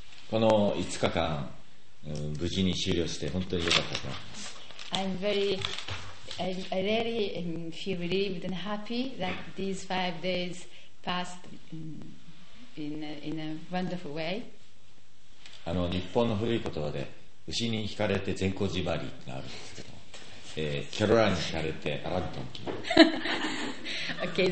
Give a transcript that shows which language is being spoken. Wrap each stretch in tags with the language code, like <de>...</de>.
<ja>この5日間、うん、無事に終了して本当に良かったと思います。</ja> <en>I'm very I really feel relieved and happy that these 5 days passed in a wonderful way.</en> <ja>日本の古い言葉で牛に惹かれて善光寺回りってあるんですけど、キョロランに惹かれてアラントン君</ja>